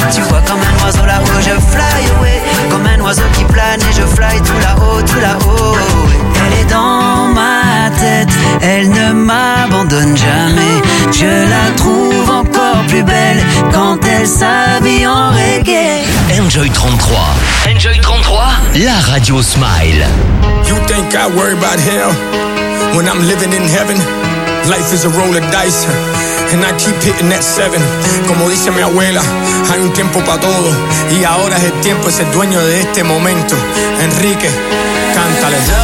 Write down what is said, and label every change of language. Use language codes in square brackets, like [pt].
[fr] Tu vois comme un oiseau là-haut, je [en] fly away. [fr] Comme un oiseau qui plane et je fly tout là-haut, tout là-haut. Elle est dans ma tête, elle ne m'abandonne jamais. Je la trouve encore plus belle quand elle s'habille en reggae. Enjoy 33. Enjoy 33, la radio smile. [en] You think I worry about hell when I'm living in heaven? Life is a roll of dice and I keep hitting that seven. [es] Como dice mi abuela, hay un tiempo para todo y ahora es el tiempo, es el dueño de este momento. Enrique, cántale.